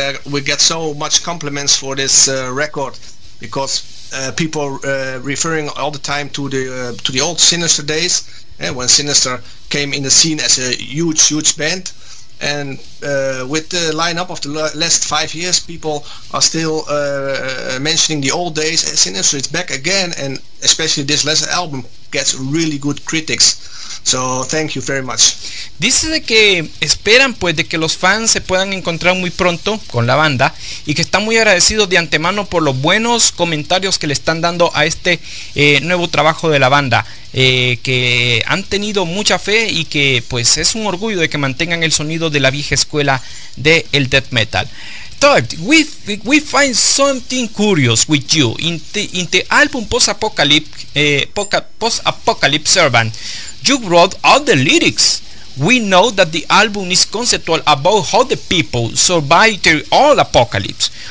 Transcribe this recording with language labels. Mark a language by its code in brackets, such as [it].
[en] We get so much compliments for this record because people referring all the time to the old Sinister days, when Sinister came in the scene as a huge band. And with the lineup of the last 5 years, people are still mentioning the old days. Sinister is back again, and especially this last album gets really good critics. So thank you very much. [es] Dice de que esperan pues de que los fans se puedan encontrar muy pronto con la banda y que están muy agradecidos de antemano por los buenos comentarios que le están dando a este nuevo trabajo de la banda. Que han tenido mucha fe y que pues es un orgullo de que mantengan el sonido de la vieja escuela de el death metal. [en] Todd, we find something curious with you in the album post-apocalypse Servant. You wrote all the lyrics. We know that the album is conceptual about how the people survived the all apocalypse.